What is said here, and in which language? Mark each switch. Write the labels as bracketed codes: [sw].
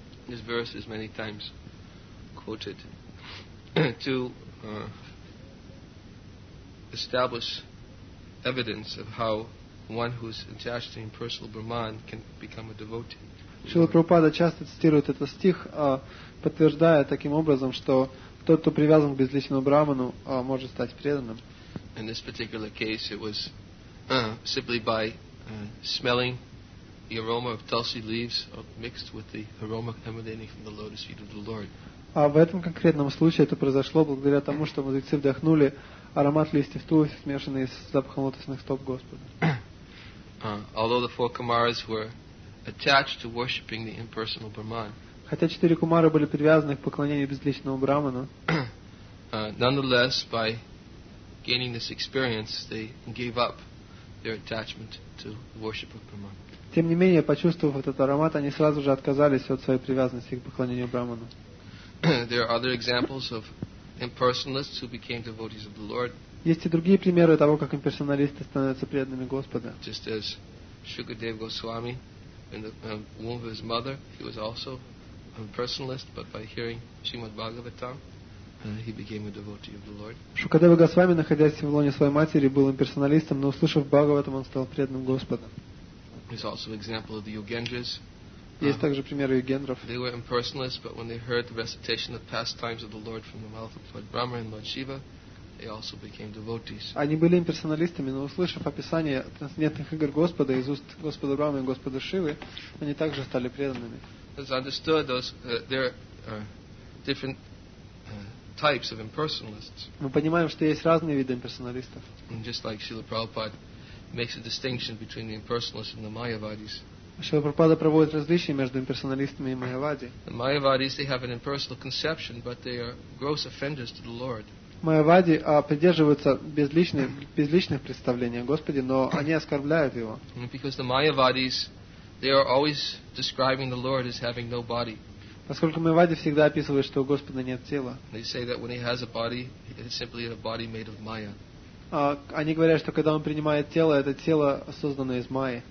[en] This verse is many times quoted to establish evidence of how one who is attached to impersonal Brahman can become a devotee. [ru] Шрила Прабхупада часто цитирует этот стих, подтверждая таким образом, что тот, кто привязан к безличному Брахману, может стать преданным. [en] In this particular case, it was simply by smelling the aroma of tulsi leaves mixed with the aroma emanating from the lotus feet of the Lord. [ru] А в этом конкретном случае это произошло благодаря тому, что мудрецы вдохнули аромат листьев туласи, смешанный с запахом лотосных стоп Господа. [en] Although the four Kumaras were attached to worshipping the impersonal Brahman. [ru] Хотя четыре кумары были привязаны к поклонению безличному Брахману, [en] nonetheless, by gaining this experience, they gave up their attachment to worship of Brahman. [ru] Тем не менее, почувствовав этот аромат, они сразу же отказались от своей привязанности к поклонению Брахману. [en] There are other examples of impersonalists who became devotees of the Lord. [ru] Есть и другие примеры того, как имперсоналисты становятся преданными Господа. [en] Just as Shukadev Goswami, in the womb of his mother, he was also impersonalist, but by hearing Srimad Bhagavatam, he became a devotee of the Lord. [ru] Шукадева Госвами, находясь в лоне своей матери, был имперсоналистом, но услышав Бхагаватам, он стал преданным Господа. [en] There's also an example of the Yogendras. [ru] Есть также примеры Югендров. [en] They were impersonalist, but when they heard the recitation of pastimes of the Lord from the mouth of Lord Brahma and Lord Shiva, they also became devotees. [ru] Они были имперсоналистами, но услышав описание трансцендентных игр Господа из уст Господа Брамы и Господа Шивы, они также стали преданными. [en] It's understood those there are different types of impersonalists. [ru] Мы понимаем, что есть разные виды имперсоналистов. [en] And just like Srila Prabhupada makes a distinction between the impersonalists and the Mayavadis. [ru] Srila Prabhupada проводит различие между имперсоналистами и Майявади. [en] The Mayavadis, they have an impersonal conception, but they are gross offenders to the Lord. [ru] Майявади придерживаются безличных представлений о Господе, но они оскорбляют его. [en] Because the Mayavadis, they are always describing the Lord as having no body. [ru] Поскольку майявади всегда описывают, что у Господа нет тела. [en] They say that when he has a body, it's simply a body made of maya. [ru] Они говорят, что когда он принимает тело, это тело созданное из майи.